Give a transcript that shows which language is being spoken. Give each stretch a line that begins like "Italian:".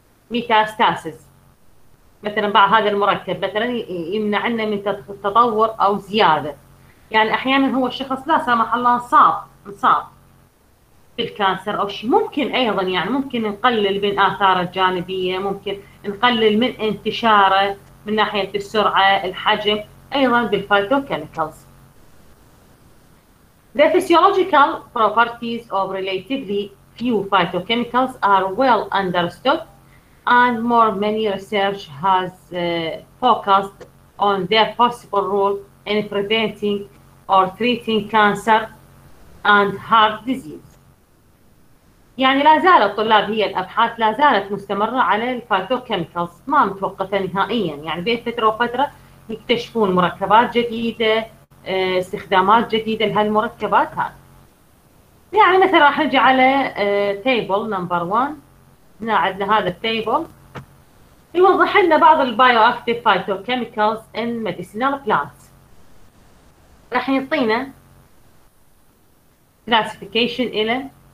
Arabic: ميتاستاسز، مثلا بعض هذا المركب مثلا يمنعنا من التطور او زياده، يعني احيانا هو الشخص لا سمح الله انصاب بالكانسر او شيء، ممكن ايضا يعني ممكن نقلل من اثاره الجانبيه، ممكن نقلل من انتشاره من ناحيه السرعه الحجم ايضا بالفايتوكيميكالز.
English: The physiological properties of relatively few phytochemicals are well understood and more many research has focused on their possible role in preventing or treating cancer and heart disease.
Arabic: يعني لا زال الطلاب، هي الابحاث لا زالت مستمره على الفايتوكيميكالز، ما متوقفه نهائيا، يعني بين فتره وفتره يكتشفون مركبات جديده، استخدامات جديده لهالمركبات هذه. يعني مثلا راح نجي على تيبل نمبر 1، هنا عندنا هذا التيبل يوضح لنا بعض
English: البايو active phytochemicals in medicinal plant,
Arabic: راح يعطينا كلاسيفيكيشن الى